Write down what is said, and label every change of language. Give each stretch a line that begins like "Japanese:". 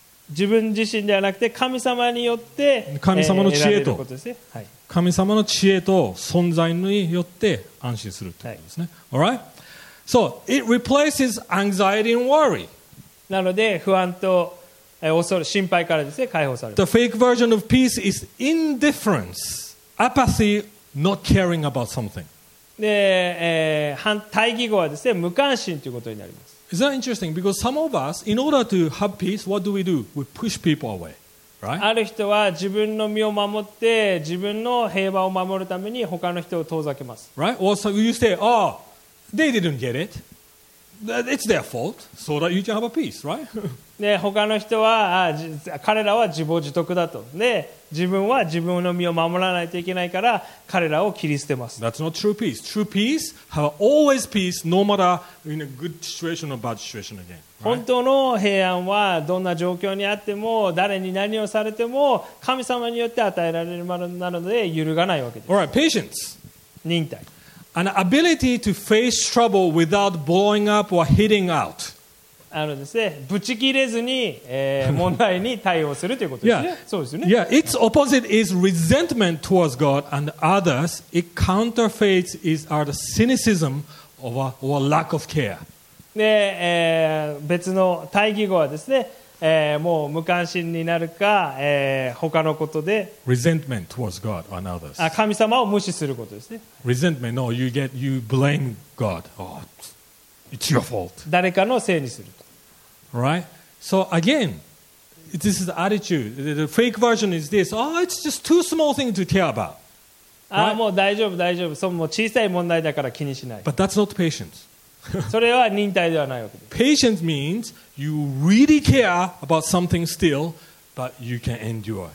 Japanese: 自分自身ではなくて神様によって神様の知恵と、神様の知恵と存在によって安心するということですね。
English: All right? So it replaces anxiety and worry.
Japanese: なので不安と恐れ、心配からですね、解放される。
English: The fake version of peace is indifference, apathy, not caring about something.
Japanese: で、対義語はですね、無関心ということになります。
English: Is that interesting? Because some of us, in order to have peace, what do? We push people away, right?
Japanese: ある人は自分の身を守って自分の平和を守るために他の人を遠ざけます。
English: Right? Or so you say, oh, they didn't get it. It's their fault, so that you can have a peace, right?
Japanese: で、他の人は、彼らは自暴自得だと。で、自分は自分の身を守らないといけないから彼らを切り捨てます。
English: That's not true peace. True peace have always peace no matter in a good situation or bad situation again, right?
Japanese: 本当の平安はどんな状況にあっても誰に何をされても神様によって与えられるものなので揺るがないわけです。
English: All right, patience.
Japanese: 忍耐。
English: An ability to face trouble without blowing up or hitting out.
Japanese: あのですね、ぶち切れずに、問題に対応するということですね。
English: Yeah.
Japanese: そうですね。
English: Yeah, its opposite is resentment towards God and others. Its counterfeits is are the cynicism of or lack of care.
Japanese: で、別の対義語はですね、もう無関心になるか、他のことで。
English: Resentment towards God and others.
Japanese: 神様を無視することですね。
English: Resentment, no, you blame God. It's your fault.
Japanese: 誰かのせいにすると。
English: Right? So again, this is the attitude. The fake version is this. Oh, it's just too small thing to care about. Right?
Japanese: もう大丈夫、大丈夫。そう、もう小さい問題だから気にしない。
English: But that's not patience.
Japanese: それは忍耐ではないわけです。
English: Patience means you really care about something still, but you can endure.